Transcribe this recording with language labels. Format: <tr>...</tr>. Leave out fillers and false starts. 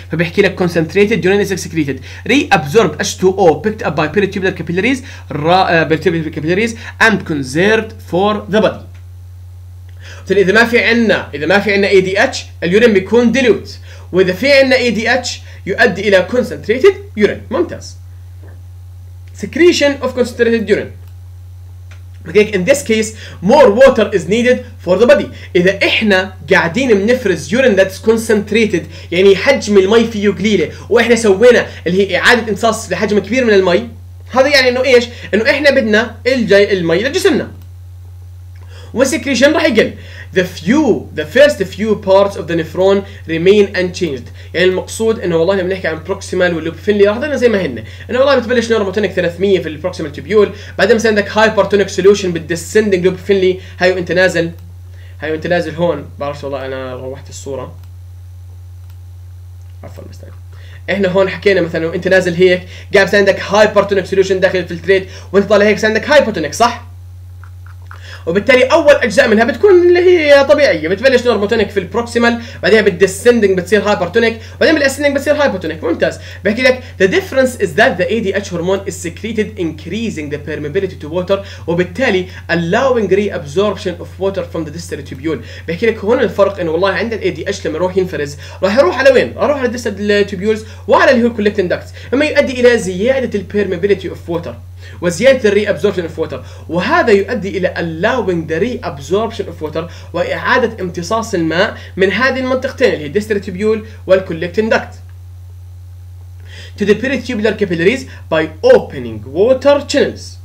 <en>فبيحكي لك concentrated urine is excreted, reabsorb H 2 O picked up by peritubular capillaries, peritubular capillaries and conserved for the body.</en> <ar>إذا ما في عنا ADH اليورين بيكون ديلوت، وإذا في عنا ADH يؤدي إلى concentrated urine. ممتاز.</ar> <en>Secretion of concentrated urine. Okay, in this case more water is needed for the body.</en> <ar>إذا إحنا قاعدين بنفرز</ar> <en>urine that's concentrated،</en> <ar>يعني حجم المي فيه قليلة، وإحنا سوينا اللي هي إعادة امتصاص لحجم كبير من المي، هذا يعني إنه إيش؟ إنه إحنا بدنا الجاي المي لجسمنا، والسكريشن راح يقل.</ar> <en>The first few parts of the nephron remain unchanged.</en> <ar>يعني المقصود انه والله لما نحكي عن proximal والوبفنلي راح ضلنا زي ما هن. انه والله بتبلش نورموتونيك 300 في البروكسيمال تيبيول، بعدين مثلا عندك هايبرتونيك سولوشن بالديسندنج لوبفنلي، هاي وانت نازل، هاي وانت نازل هون، بعرفش والله انا روحت الصوره، عفوا مستني، احنا هون حكينا مثلا وانت نازل هيك قاعد مثلا عندك هايبرتونيك سولوشن داخل الفلتريت، وانت طالع هيك عندك هايبرتونيك، صح؟ وبالتالي اول اجزاء منها بتكون اللي هي طبيعيه، بتبلش نورموتونيك في البروكسيمال، بعدين بالديسندنج بتصير هايبرتونيك، بعدين بالاسندنج بتصير هايبرتونيك. ممتاز. بحكي لك</ar> <en>the difference is that the ADH hormone is secreted increasing the permeability to water،</en> <ar>وبالتالي</ar> <en>allowing reabsorption of water from the distal tubule.</en> <ar>بحكي لك هون الفرق انه والله عند الاي دي اتش لما يروح ينفرز راح يروح على وين؟ راح يروح على distal tubules وعلى اللي هو collecting ducts، مما يؤدي الى زياده البيرميبيليتي اوف ووتر وزياده الري ابزوربشن اوف ووتر، وهذا يؤدي الى</ar> <en>allowing the reabsorption of water</en> <ar>واعاده امتصاص الماء من هذه المنطقتين اللي هي distal tubule والcollecting duct</ar> <en>to the peritubular capillaries by opening water channels.</en>